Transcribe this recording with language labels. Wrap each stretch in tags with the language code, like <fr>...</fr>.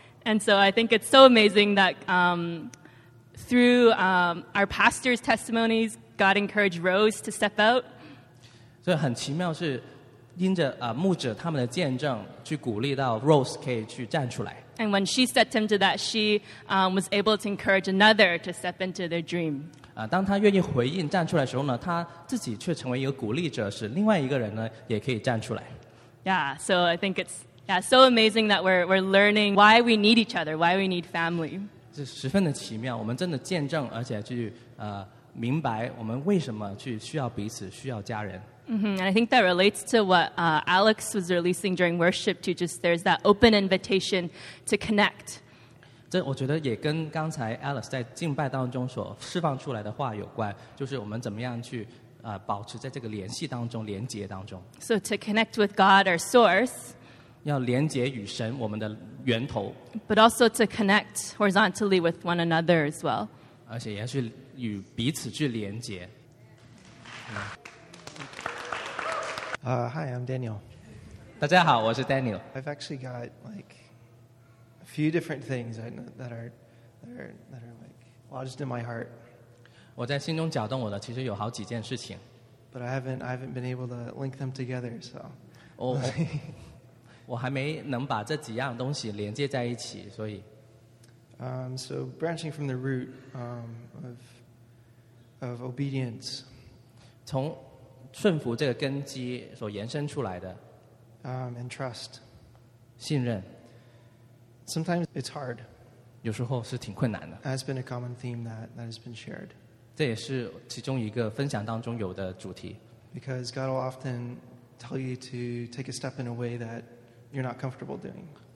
<en>And so I think it's so amazing that through our pastor's testimonies, God encouraged Rose to step out.</en> <zh>所以很奇妙是因着牧者他们的见证去鼓励到Rose可以去站出来。</zh> <en>And when she stepped into that, she was able to encourage another to step into their dream.</en> <zh>当他愿意回应站出来的时候呢，他自己却成为一个鼓励者，使另外一个人呢也可以站出来。</zh> <en>Yeah, so I think it's so amazing that we're learning why we need each other, why we need family.</en> <zh>这十分的奇妙，我们真的见证，而且去 明白我们为什么去需要彼此，需要家人。 Mm-hmm.</zh> <en>And I think that relates to what Alex was releasing during worship too. Just there's that open invitation to connect.</en> <zh>这我觉得也跟刚才 Alex 在敬拜当中所释放出来的话有关，就是我们怎么样去 保持在这个联系当中，连接当中。</zh> <en>So to connect with God, our source.</en> <zh>要连接与神，我们的源头。</zh> <en>But also to connect horizontally with one another as well.</en> <zh>而且也要去 与彼此去连接。</zh> <en>Hi, I'm Daniel.</en> <zh>大家好，我是Daniel.</zh> <en>I've actually got like a few different things that are like lodged in my heart.</en> <zh>我在心中搅动我的，其实有好几件事情。</zh> <en>But I haven't been able to link them together, so.</en> <zh>我还没能把这几样东西连接在一起，所以。</zh> <en>So branching from the root of obedience.</en> <zh>从顺服这个根基所延伸出来的,</zh> <en>and trust.</en> <zh>信任,</zh> <en>sometimes it's hard.</en> <zh>有时候是挺困难的,</zh> <en>that's been a common theme that has been shared.</en> <zh>这也是其中一个分享当中有的主题,</zh> <en>because God will often tell you to take a step in a way that you're not comfortable doing.</en>